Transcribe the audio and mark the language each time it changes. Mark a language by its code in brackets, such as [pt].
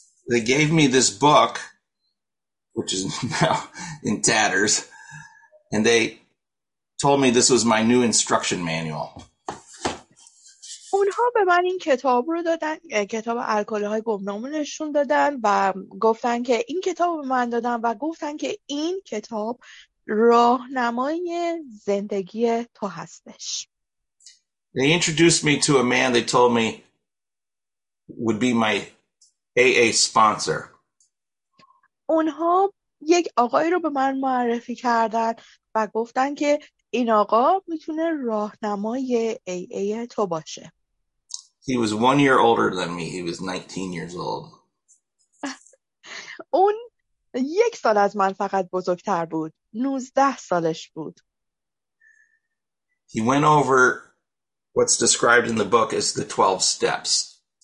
[en] They gave me this book, which is now in tatters, and they told me this was my new instruction manual. [fa] اونها به من این کتاب رو دادن، کتاب الکل‌های گمنام نشون دادن و گفتن که این کتاب رو من دادن و گفتن که این کتاب راهنمای زندگی تو هستش. [en] They introduced me to a man they told me would be my AA sponsor. [fa] اونها یک آقای رو به من معرفی کردن و گفتن که این آقا میتونه راهنمای AA تو باشه. [en] He was 1 year older than me. He was 19 years old. [fa] اون یک سال از من فقط بزرگتر بود. 19 سالش بود. [en] He went over what's described in the book as the 12 steps.